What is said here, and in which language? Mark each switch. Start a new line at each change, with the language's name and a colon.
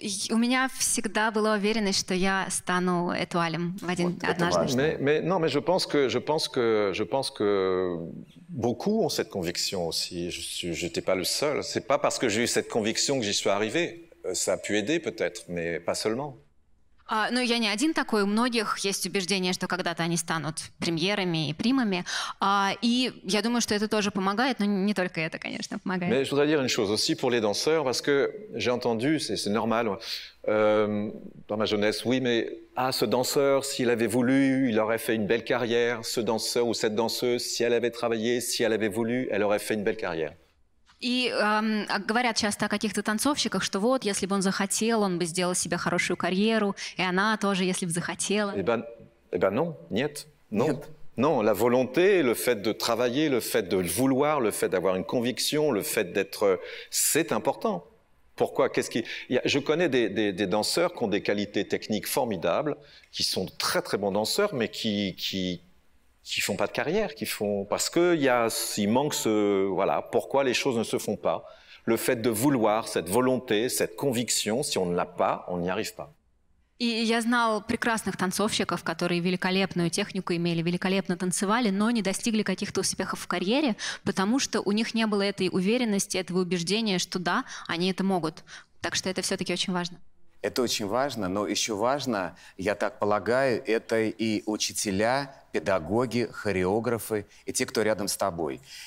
Russian: У меня всегда была уверенность, что я стану этуалем в один однажды.
French: Mais je pense que beaucoup ont cette conviction aussi. J'étais pas le seul. C'est pas parce que j'ai eu cette conviction que j'y suis arrivé. Ça a pu aider peut-être, mais pas seulement.
Russian: Ну я не один такой. У многих есть убеждение, что когда-то они станут премьерами и примами. И я думаю, что это тоже помогает, но не только это, конечно, помогает.
French: Mais je voudrais dire une chose aussi pour les danseurs, parce que j'ai entendu, c'est normal, dans ma jeunesse, oui, mais ah, ce danseur, s'il avait voulu, il aurait fait une belle carrière. Ce danseur ou cette danseuse, si elle avait travaillé, si elle avait voulu, elle aurait fait une belle carrière.
Russian: И говорят часто о каких-то танцовщиках, что вот, если бы он захотел, он бы сделал себе хорошую карьеру, и она тоже, если бы захотела.
French: Eh ben non,
Russian: нет,
French: non.
Russian: Нет.
French: Non, la volonté, le fait de travailler, le fait de le vouloir, le fait d'avoir une conviction, le fait d'être, c'est important. Pourquoi? Je connais des danseurs qui ont des qualités techniques formidables, qui sont très très bons danseurs, mais qui font pas de carrière, qui font parce que il manque ce voilà pourquoi les choses ne se font pas, le fait de vouloir, cette volonté, cette conviction, si on ne l'a pas, on n'y arrive pas.
Russian: И я знал прекрасных танцовщиков, которые великолепную технику имели, великолепно танцевали, но не достигли каких-то успехов в карьере, потому что у них не было этой уверенности, этого убеждения, что да, они это могут. Так что это все-таки очень важно. Это очень важно, но еще важно, я так полагаю, это и учителя, педагоги, хореографы и те, кто рядом с тобой.